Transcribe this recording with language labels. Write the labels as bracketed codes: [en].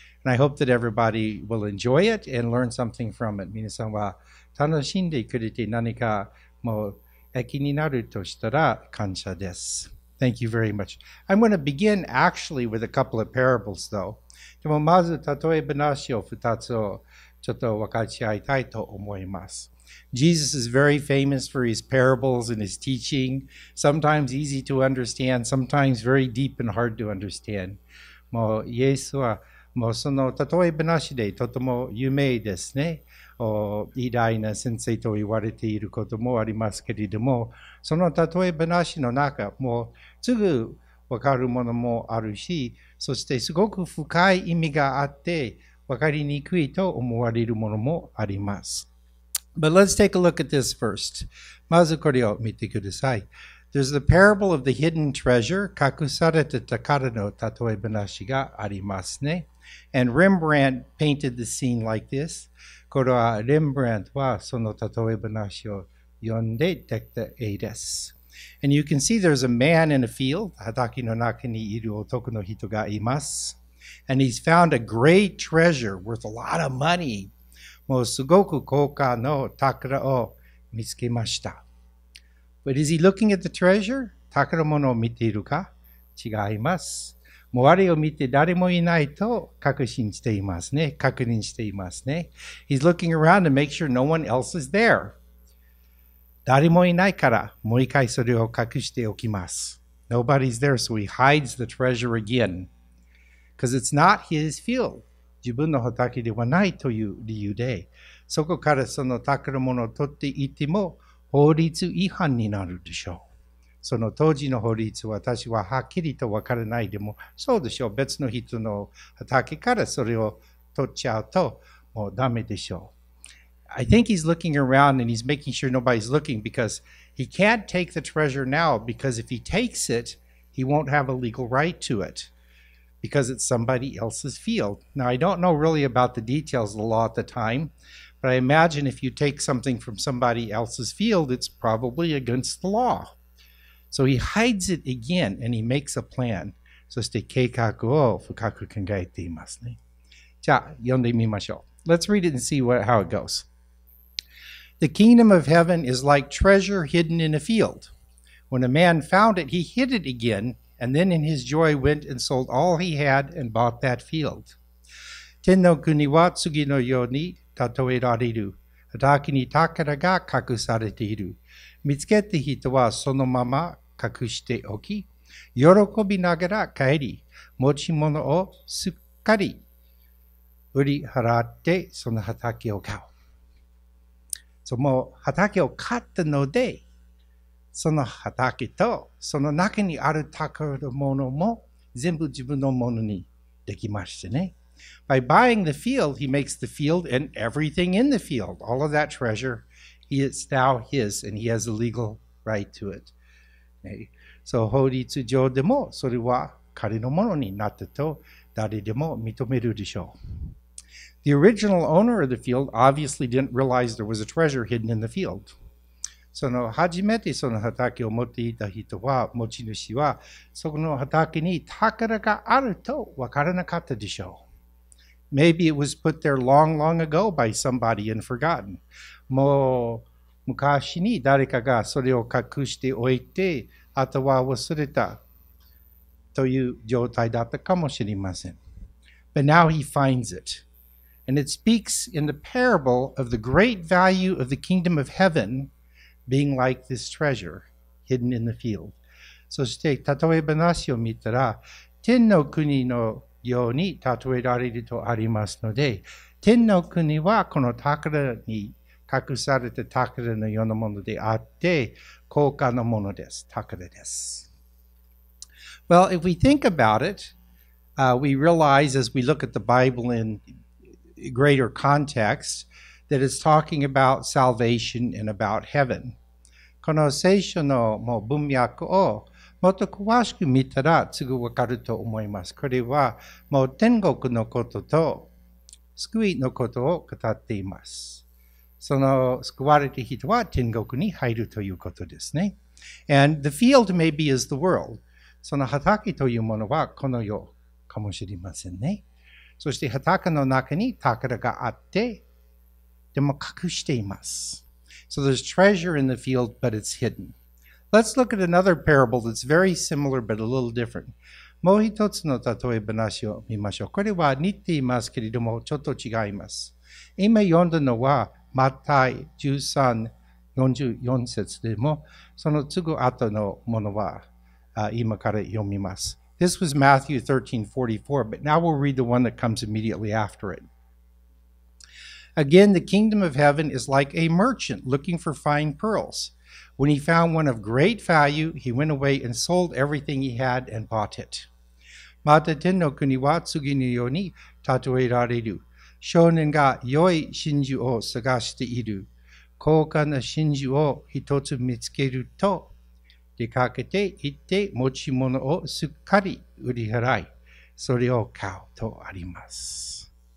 [en] And I hope that everybody will enjoy it and learn something from it. [ja] 皆さんは楽しんでくれて何かもう益になるとしたら感謝です。 [en] Thank you very much. I'm going to begin actually with a couple of parables though. [ja] でもまず例え話を2つをちょっと分かち合いたいと思います。 [en] Jesus is very famous for his parables and his teaching. Sometimes easy to understand, sometimes very deep and hard to understand. [ja] もうイエスはもうその例え話でとても有名ですね。偉大な先生と言われていることもありますけれども、その例え話の中もすぐ分かるものもあるし、そしてすごく深い意味があって分かりにくいと思われるものもあります。 [en] But let's take a look at this first. [ja] まずこれを見てください。 [en] There's the parable of the hidden treasure, [ja] 隠された宝の例え話がありますね。 [en] And Rembrandt painted the scene like this. [ja] これはレンブラントはその例え話を読んでできた絵です。 [en] And you can see there's a man in a field, [ja] 畑の中にいる男の人がいます。 [en] And he's found a great treasure worth a lot of money. [ja] もうすごく高価の宝を見つけました。 [en] But is he looking at the treasure? [ja] 宝物を見ているか？違います。もうあれを見て誰もいないと確信していますね。確認していますね。 [en] He's looking around to make sure no one else is there. [ja] 誰もいないからもう一回それを隠しておきます。 [en] Nobody's there, so he hides the treasure again. Because it's not his field. [ja] 自分の畑ではないという理由で、そこからその宝物を取っていても法律違反になるでしょう。その当時の法律は私ははっきりと分からないでもそうでしょう別の人の畑からそれを取っちゃうともうダメでしょう [en] I think he's looking around and he's making sure nobody's looking because he can't take the treasure now because if he takes it he won't have a legal right to it because it's somebody else's field now I don't know really about the details of the law at the time but I imagine if you take something from somebody else's field it's probably against the law So he hides it again and he makes a plan. [ja] そして計画を深く考えていますね。じゃあ読んでみましょう。 [en] Let's read it and see how it goes. The kingdom of heaven is like treasure hidden in a field. When a man found it, he hid it again and then in his joy went and sold all he had and bought that field. [ja] 天の国は次のように例えられる。畑に宝が隠されている。見つけた人はそのまま隠しておき、喜びながら帰り、持ち物をすっかり売り払ってその畑を買う。そのもう畑を買ったので、その畑とその中にある宝物も全部自分のものにできましたね。 [en] By buying the field, he makes the field and everything in the field, all of that treasure. It's now his, and he has a legal right to it. Okay. So, [ja] 法律上でもそれは彼のものになったと誰でも認めるでしょう。 [en] The original owner of the field obviously didn't realize there was a treasure hidden in the field. [ja] その初めてその畑を持っていた人は、持ち主は、そこの畑に宝があると分からなかったでしょう。 [en] Maybe it was put there long, long ago by somebody and forgotten. [ja] もう昔に誰かがそれを隠しておいて、あとは忘れたという状態だったかもしれません。 [en] But now he finds it. And it speaks in the parable of the great value of the kingdom of heaven being like this treasure hidden in the field. [ja] そして、例え話を見たら、天の国のように例えられるとありますので、天の国はこの宝に隠された宝のようなものであって、高価なものです。宝です。 [en] Well, if we think about it, we realize as we look at the Bible in greater context, that it's talking about salvation and about heaven. [ja] この聖書のもう文脈をもっと詳しく見たらすぐ分かると思います。これはもう天国のことと救いのことを語っています。その救われた人は天国に入るということですね。 [en] And the field maybe is the world. [ja] その畑というものはこの世かもしれませんね。そして畑の中に宝があって、でも隠しています。 [en] So there's treasure in the field, but it's hidden. Let's look at another parable that's very similar, but a little different. [ja] もう一つの例え話を見ましょう。これは似ていますけれども、ちょっと違います。今読んだのは、マタイ13、44節でも、そのすぐ後のものは、今から読みます。 [en] This was Matthew 13:44, but now we'll read the one that comes immediately after it. Again, the kingdom of heaven is like a merchant looking for fine pearls. When he found one of great value, he went away and sold everything he had and bought it. [ja] また天の国は次のように例えられる。少年が良い真珠を探している。高価な真珠を一つ見つけると、出かけて行って持ち物をすっかり売り払い、それを買うとあります。